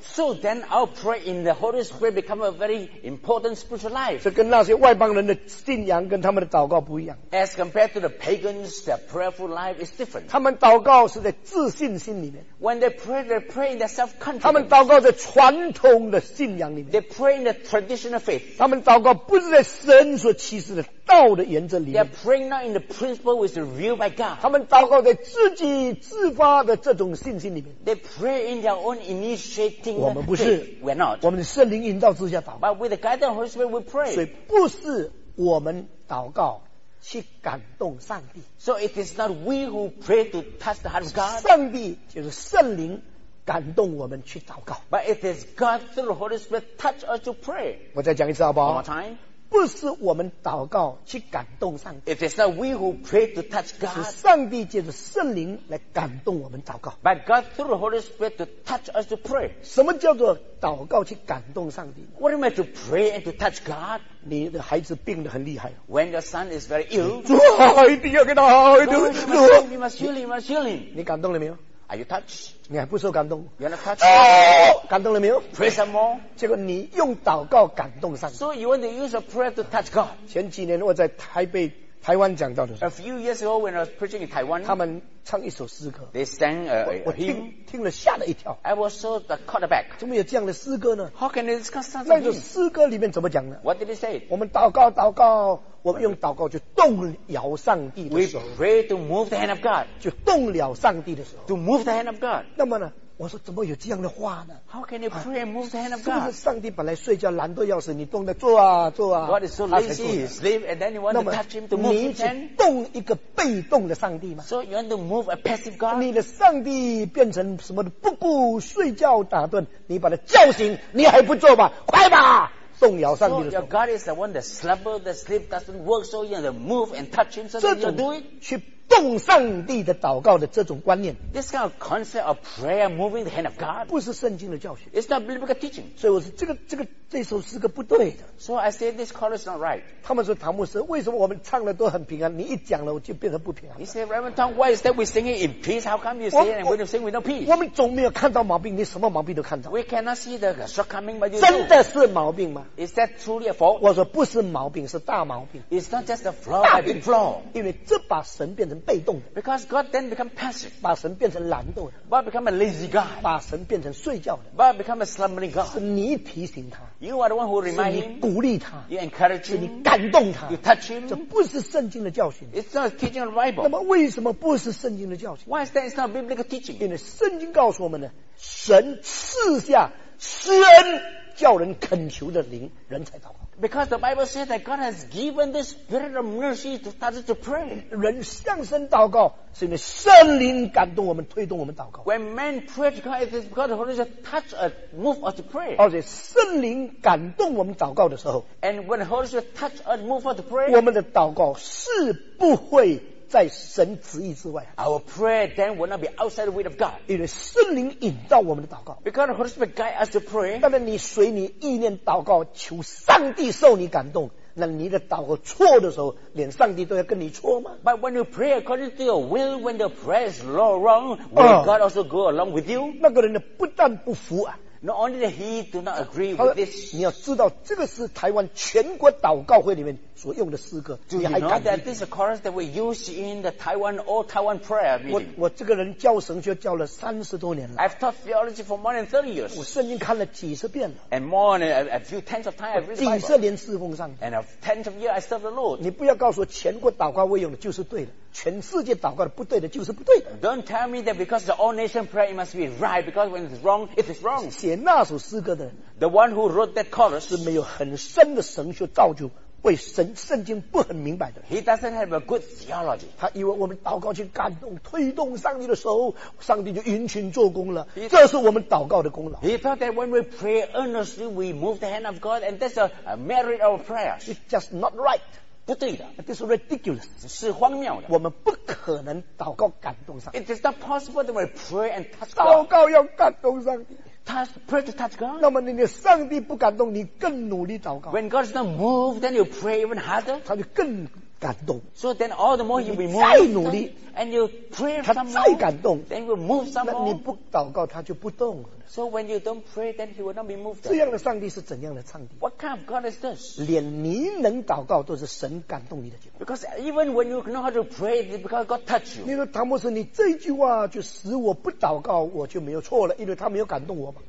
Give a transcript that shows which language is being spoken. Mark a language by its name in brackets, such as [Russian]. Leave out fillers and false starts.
[English] So then our prayer in the Holy Spirit become a very important spiritual life. [Chinese] 是跟那些外邦人的信仰跟他们的祷告不一样。 [English] As compared to the pagans, their prayerful life is different. [Chinese] 他们祷告是在自信心里面。 [English] When they pray in their self-confidence. [Chinese] 他们祷告在传统的信仰里面。 [English] They pray in the traditional faith. [Chinese] 他们祷告不是在神所启示的道的原则里面。 [English] They pray not in the principle which is revealed by God. [Chinese] 他们祷告在自己自发的这种信心里面。 [English] They pray in their own initiating. [Chinese] 我们不是 [English] ，we're not. [Chinese] 我们圣灵引导之下祷告。 [English] But with the guidance of the Holy Spirit, we pray. [Chinese] 所以不是我们祷告去感动上帝。 [English] So it is not we who pray to touch the heart of God. [Chinese] 上帝就是圣灵感动我们去祷告。 [English] But it is God through the Holy Spirit touch us to pray. [Chinese] 我再讲一次好不好 [English] ？One more time. [Chinese] 不是我们祷告去感动上帝。 [English] It is not we who pray to touch God. [Chinese] 是上帝借着圣灵来感动我们祷告。 [English] But God through the Holy Spirit to touch us to pray. [Chinese] 什么叫做祷告去感动上帝？ [English] What do you mean to pray and to touch God? [Chinese] 你的孩子病得很厉害。 [English] When your son is very ill. [Chinese] 主啊，一定要给他好一点。主啊，你 [English] must heal him, you must heal him. [Chinese] 你感动了没有？ [English] Are you touched? [Chinese] 你还不受感动？ [English] You're not touched? [Chinese] 感动了没有？ [English] Pray some more. [Chinese] 结果你用祷告感动上帝。 [English] So you want to use a prayer to touch God. [Chinese] 前几年我在台北台湾讲道的时候， [English] A few years ago when I was preaching in Taiwan, [Chinese] 他们唱一首诗歌。 [English] They sang a hymn. [Chinese] 我听了吓了一跳。 [English] I was so caught aback. [Chinese] 怎么有这样的诗歌呢？ [English] How can this come to be? [Chinese] 那首诗歌里面怎么讲呢？ [English] What did he say? [Chinese] 我们祷告祷告，我们用祷告就动摇上帝的手。 [English] We pray to move the hand of God. [Chinese] 就动摇上帝的手。 [English] To move the hand of God. [Chinese] 那么呢，我说怎么有这样的话呢？ [English] How can you pray and move the hand of God? [Chinese] 是不是上帝本来睡觉懒惰要死，你动的坐啊坐啊？ [English] God is so lazy, he sleep, and then you want to touch him to move his hand? [Chinese] 那么你去动一个被动的上帝吗？ [English] So you want to move a passive God? [Chinese] 你的上帝变成什么的不顾睡觉打盹，你把他叫醒，你还不做吗？快吧！动摇上帝的手。 [English] So your God is the one that slumber, that sleep doesn't work, so you have to move and touch him, so that you do it. [Chinese] 去动上帝的祷告的这种观念。 [English] This kind of concept of prayer moving the hand of God. [Chinese] 不是圣经的教学。 [English] It's not biblical teaching. [Chinese] 所以我说这首诗歌不对的。 [English] So I say this call is not right. [Chinese] 他们说唐牧师，为什么我们唱的都很平安，你一讲了我就变成不平安。 [English] He said, Reverend Tom, why is that we sing it in peace? How come you say it and when you sing with no peace? [Chinese] 我们总没有看到毛病，你什么毛病都看到。 [English] We cannot see the shortcoming, but you [Chinese] 真的是毛病吗？ [English] Is that truly a fault? [Chinese] 我说不是毛病，是大毛病。 [English] It's not just a flaw, but a big flaw. [Chinese] 因为这把神变成被动的。 [English] Because God then become passive. [Chinese] 把神变成懒惰的。 [English] But become a lazy God. [Chinese] 把神变成睡觉的。 [English] But become a slumbering God. [Chinese] 是你提醒他。 [English] You are the one who remind him. [Chinese] 是你鼓励他。 [English] You encourage him. [Chinese] 是你感动他。 [English] You touch him. [Chinese] 这不是圣经的教训。 [English] It's not teaching the Bible. [Chinese] 那么为什么不是圣经的教训？ [English] Why is that it's not biblical teaching? [Chinese] 因为圣经告诉我们呢，神赐下施恩叫人恳求的灵，人才祷告。 [English] Because the Bible says that God has given the spirit of mercy to touch to pray. [Chinese] 人向神祷告是因为圣灵感动我们，推动我们祷告。 [English] When man prays to God, it is because the Holy Spirit touch us, move us to pray. [Chinese] 而且圣灵感动我们祷告的时候， [English] And when the Holy Spirit touch us, move us to pray, [Chinese] 我们的祷告是不会在神旨意之外。 [English] Our prayer then will not be outside the will of God. [Chinese] 因为圣灵引导我们的祷告。 [English] Because the Holy Spirit guide us to pray. [Chinese] 当然你随你意念祷告，求上帝受你感动，那你的祷告错的时候，连上帝都要跟你错吗？ [English] But when you pray according to your will, when the prayer is wrong, will God also go along with you? [Chinese] 那个人呢，不但不服啊。 [English] Not only that he do not agree with this. [Chinese] 你要知道，这个是台湾全国祷告会里面所用的诗歌。 [English] Do you know that this chorus that we use in the Taiwan all Taiwan prayer meeting? [Chinese] 我这个人教神学教了30多年了。 [English] I've taught theology for more than 30 years. [Chinese] 我圣经看了几十遍了。 [English] And more than a few tens of times I've read the Bible. [Chinese] 几十年侍奉上帝。 [English] And of tens of years I serve the Lord. [Chinese] 你不要告诉我全国祷告会用的就是对的，全世界祷告的不对的就是不对的。 [English] Don't tell me that because the all nation prayer must be right, because when it's wrong, it is wrong. [Chinese] 写那首诗歌的人， [English] the one who wrote that chorus [Chinese] 是没有很深的神学造就，为神圣经不很明白的。 [English] He doesn't have a good theology. [Chinese] 他以为我们祷告去感动推动上帝的时候，上帝就殷勤做工了。这是我们祷告的功劳。 [English] He thought that when we pray earnestly, we move the hand of God, and that's a merit of prayers. It's just not right. [Chinese] 不对的， [English] This is ridiculous. [Chinese] 是荒谬的。我们不可能祷告感动上帝。 [English] It is not possible that we pray and touch God. [Chinese] 祷告要感动上帝。 [English] prayer to touch God. [Chinese] 那么你的上帝不感动，你更努力祷告。 [English] When God is not moved, then you pray even harder. [Chinese] 他就更感动。 [English] So then all the more he will move. [Chinese] 再努力 [English] ，and you pray some more. [Chinese] 他再感动 [English] ，then will move some more. [Chinese] 那你不祷告，他就不动。 [English] So when you don't pray, then he will not be moved. [Chinese] 这样的上帝是怎样的上帝 [English] ？What kind of God is this? [Chinese] 连你能祷告，都是神感动你的结果。 [English] Because even when you know how to pray, it's because God touch you. [Chinese] 你说唐牧师，你这句话就使我不祷告，我就没有错了，因为他没有感动我嘛。